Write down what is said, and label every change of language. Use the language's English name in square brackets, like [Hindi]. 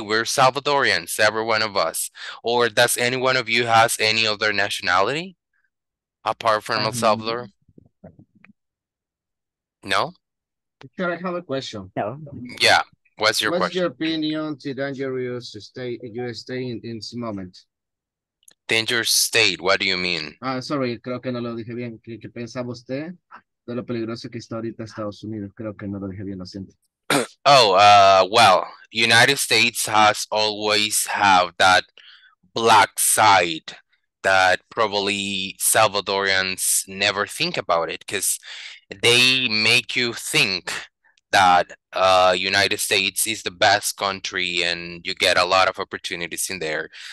[English] We're Salvadorians, every one of us. Or does any one of you has any other nationality apart from El Salvador? No? Sure, I have a question. No. Yeah. What's your question? Your opinion to dangerous state in your stay in this moment? Dangerous state, what do you mean? [Spanish] Sorry, creo que no lo dije bien. ¿Qué pensaba usted de lo peligroso que está ahorita Estados Unidos? Creo que no lo dije bien, lo siento. [English] Oh, well, United States has always have that black side that probably Salvadorians never think about it, because they make you think that United States is the best country and you get a lot of opportunities in there.